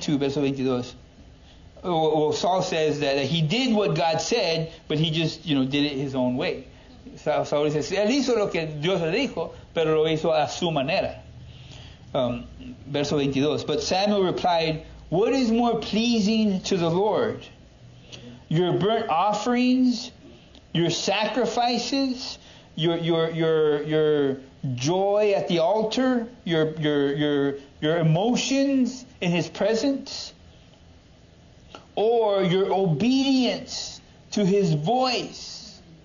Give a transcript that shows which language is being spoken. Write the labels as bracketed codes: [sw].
[en] So he says, verse 22, verse 22, Saul says that he did what God said, but he just, you know, did it his own way. Saul says, [es] él hizo lo que Dios le dijo, pero lo hizo a su manera. [en] Verse 22, but Samuel replied, what is more pleasing to the Lord? Your burnt offerings, your sacrifices, your joy at the altar, your emotions in his presence, or your obedience to his voice.